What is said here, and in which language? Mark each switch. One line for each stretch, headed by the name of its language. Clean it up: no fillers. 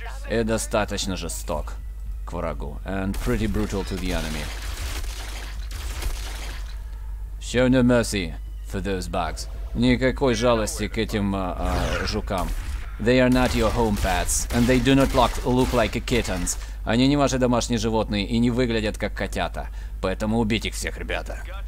Russian: И достаточно жесток к врагу.
English: And pretty brutal to the enemy. Show no mercy for those bugs.
Russian: Никакой жалости к этим жукам.
English: They are not your home pets, and they do not look like kittens.
Russian: Они не ваши домашние животные и не выглядят как котята. Поэтому убить их всех, ребята.